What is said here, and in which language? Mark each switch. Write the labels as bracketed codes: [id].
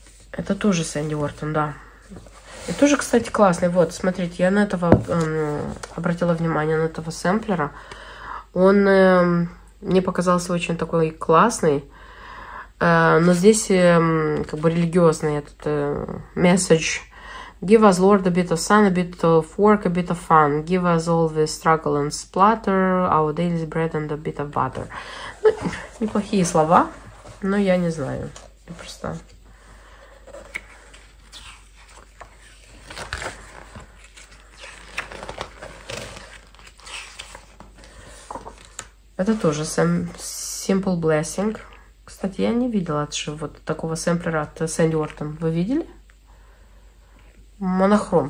[ru] Это тоже Сэнди Уортон, да. И тоже, кстати, классный. Вот, смотрите, я на этого обратила внимание, на этого сэмплера. Он мне показался очень такой классный. Но здесь как бы религиозный этот message. [en] Give us, Lord, a bit of sun, a bit of work, a bit of fun. Give us all the struggle and splatter, our daily bread and a bit of butter. [ru] Ну, неплохие слова, но я не знаю. Я просто... Это тоже simple blessing. Кстати, я не видела отшив вот такого сэмплера от Сэнди Уортон. Вы видели? Монохром.